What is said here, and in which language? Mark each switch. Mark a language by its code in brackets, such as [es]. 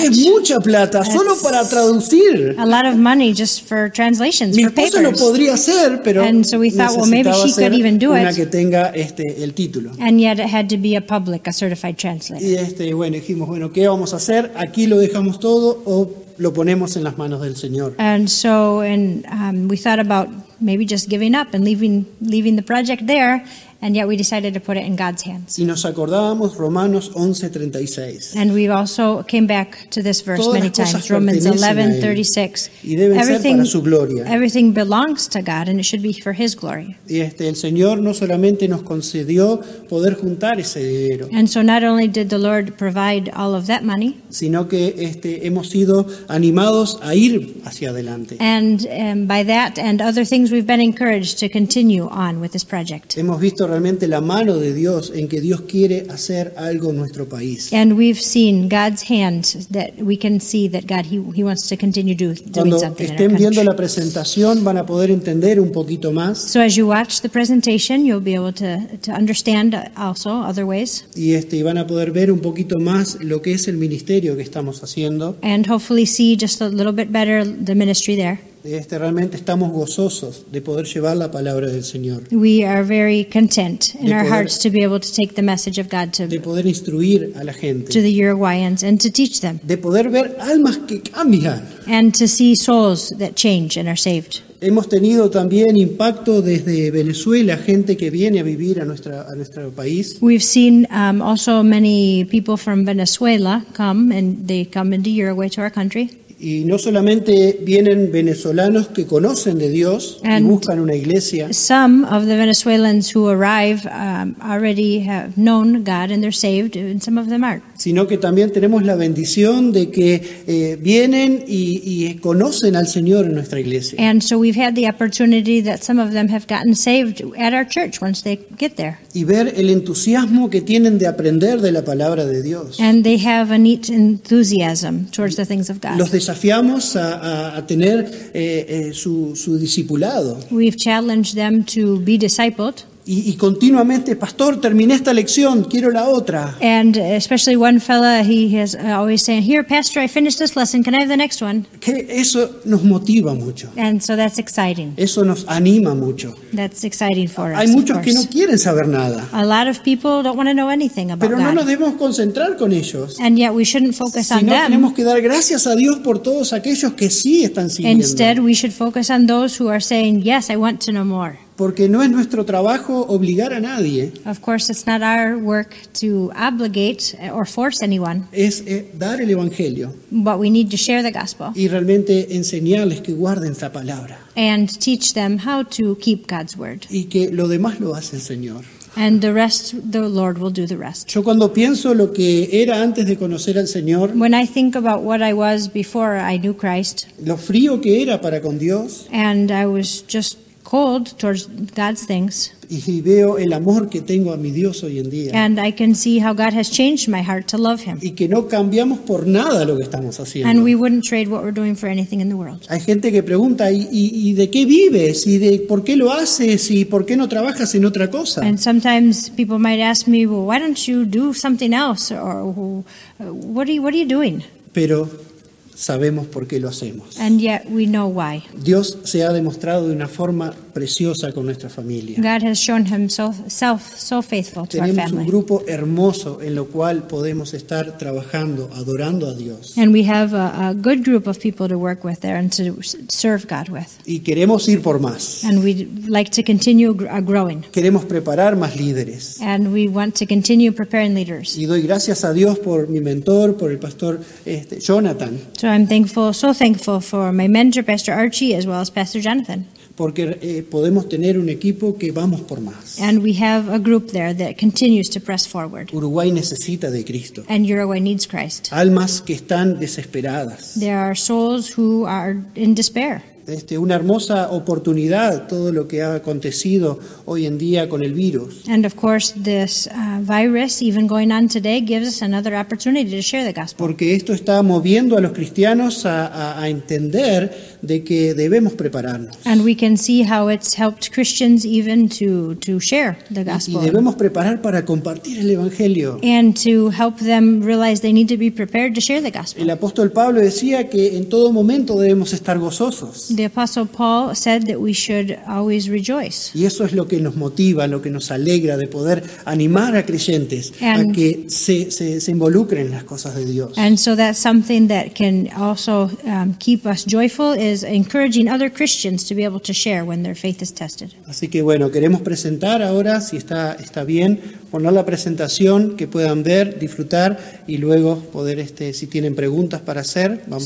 [es] Es mucha plata, [en] that's [es] solo para traducir. [en] A lot of money just for translations, for papers. [es] Mi esposa lo podría hacer, pero [en] and so we thought, well, maybe she could even do [es] una [en] it. [es] Una que tenga este, el título. [en] And yet it had to be a public, a certified translator. [es] Y este, bueno, dijimos, bueno, ¿qué vamos a hacer? Aquí lo dejamos todo o lo ponemos en las manos del Señor. [en] And so and, we thought about maybe just giving up and leaving the project there. And yet we decided to put it in God's hands. [es] Y nos acordábamos Romanos 11:36. [en] And we also came back to this verse [es] todas [en] many times, Romans 11:36. [es] Y deben [en] everything, [es] ser para su gloria. [en] Everything belongs to God and it should be for His glory. [es] Y este, el Señor no solamente nos concedió poder juntar ese dinero. [en] And so not only did the Lord provide all of that money, [es] sino que este, hemos sido animados a ir hacia adelante. [en] And by that and other things we've been encouraged to continue on with this project. [es] Hemos visto realmente la mano de Dios en que Dios quiere hacer algo en nuestro país. [en] And we've seen God's hand that we can see that God he wants to continue doing something. [es] Cuando estén viendo la presentación van a poder entender un poquito más. [en] So as you watch the presentation you'll be able to understand also other ways. [es] Y este, van a poder ver un poquito más lo que es el ministerio que estamos haciendo. [en] And hopefully see just a little bit better the ministry there. [es] Este, realmente estamos gozosos de poder llevar la palabra del Señor. [en] We are very content in our hearts to be able to take the message of God to [es] de poder instruir a la gente. [en] To the Uruguayans and to teach them. [es] De poder ver almas que cambian. [en] And to see souls that change and are saved. [es] Hemos tenido también impacto desde Venezuela, gente que viene a vivir a nuestro país. [en] We've seen also many people from Venezuela come, and they come into Uruguay to our country. [es] Y no solamente vienen venezolanos que conocen de Dios [en] and [es] y buscan una iglesia. [en] Some of the Venezuelans who arrive already have known God and they're saved, and some of them aren't. [es] Sino que también tenemos la bendición de que vienen y conocen al Señor en nuestra iglesia. [en] And so we've had the opportunity that some of them have gotten saved at our church once they get there. [es] Y ver el entusiasmo que tienen de aprender de la palabra de Dios. [en] And they have a neat enthusiasm towards the things of God. [es] Los desafiamos a tener su discipulado. [en] We've challenged them to be discipled. [es] Y continuamente, pastor, terminé esta lección, quiero la otra. [en] And especially one fella, he is always saying, here, pastor, I finished this lesson, can I have the next one? [es] Que eso nos motiva mucho. [en] And so that's exciting. [es] Eso nos anima mucho. [en] That's exciting for us. [es] Hay muchos que no quieren saber nada. [en] A lot of people don't want to know anything about [es] Pero no [en] God. [es] Nos debemos concentrar con ellos. [en] And yet we shouldn't focus [es] si [en] on [es] no [en] them. [es] Tenemos que dar gracias a Dios por todos aquellos que sí están siguiendo. [en] Instead, we should focus on those who are saying, yes, I want to know more. [es] Porque no es nuestro trabajo obligar a nadie. [en] Of course, it's not our work to obligate or force anyone. [es] Es dar el evangelio. [en] But we need to share the gospel. [es] Y realmente enseñarles que guarden esa palabra. [en] And teach them how to keep God's word. [es] Y que lo demás lo hace el Señor. [en] And the rest, the Lord will do the rest. [es] Yo cuando pienso lo que era antes de conocer al Señor, [en] when I think about what I was before I knew Christ, [es] lo frío que era para con Dios, [en] and I was just cold towards God's things. [es] Y veo el amor que tengo a mi Dios hoy en día. [en] And I can see how God has changed my heart to love him. [es] Y que no cambiamos por nada lo que estamos haciendo. [en] And we wouldn't trade what we're doing for anything in the world. [es] Hay gente que pregunta y de qué vives y de por qué lo haces y por qué no trabajas en otra cosa. [en] And sometimes people might ask me, well, why don't you do something else or what are you doing? [es] Pero sabemos por qué lo hacemos. [en] And yet we know why. [es] Dios se ha demostrado de una forma preciosa con nuestra familia. [en] God has shown himself so faithful to our family. [es] Tenemos un grupo hermoso en lo cual podemos estar trabajando, adorando a Dios. [en] And we have a good group of people to work with there and to serve God with. [es] Y queremos ir por más. [en] And we'd like to continue growing. [es] Queremos preparar más líderes. [en] And we want to continue preparing leaders. [es] Y doy gracias a Dios por mi mentor, por el pastor Jonathan. [en] So I'm so thankful for my mentor, Pastor Archie, as well as Pastor Jonathan. [es] Porque podemos tener un equipo que vamos por más. [en] And we have a group there that continues to press forward. [es] Uruguay necesita de Cristo. [en] And Uruguay needs Christ. [es] Almas que están desesperadas. [en] There are souls who are in despair. [es] Una hermosa oportunidad todo lo que ha acontecido hoy en día con el virus. [en] And of course this virus even going on today gives us another opportunity to share the gospel. [es] Porque esto está moviendo a los cristianos a entender de que debemos prepararnos. [en] And we can see how it's helped Christians even to share the gospel. [es] Y debemos preparar para compartir el evangelio. [en] And to help them realize they need to be prepared to share the gospel. [es] El apóstol Pablo decía que en todo momento debemos estar gozosos. [en] The Apostle Paul said that we should always rejoice. [es] Y eso es lo que nos motiva, lo que nos alegra de poder animar a creyentes [en] and, [es] a que se involucren en las cosas de Dios. [en] And so that's something that can also keep us joyful is encouraging other Christians to be able to share when their faith is tested. [es] Así que bueno, queremos presentar ahora, si está bien, poner la presentación que puedan ver, disfrutar y luego poder si tienen preguntas para hacer, vamos